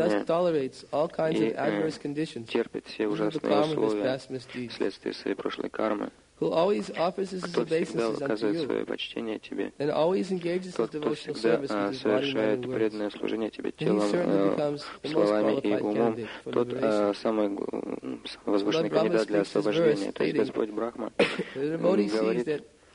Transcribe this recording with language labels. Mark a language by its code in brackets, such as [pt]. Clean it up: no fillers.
[en] and thus tolerates all kinds of adverse conditions [ru] терпит все ужасные условия вследствие своей прошлой кармы, [en] who always offers his obeisances unto you, and always engages his devotional service with his body, mind, and words, and he certainly becomes the most qualified candidate for the liberation. Lord Brahma speaks this verse, stating, the devotee sees that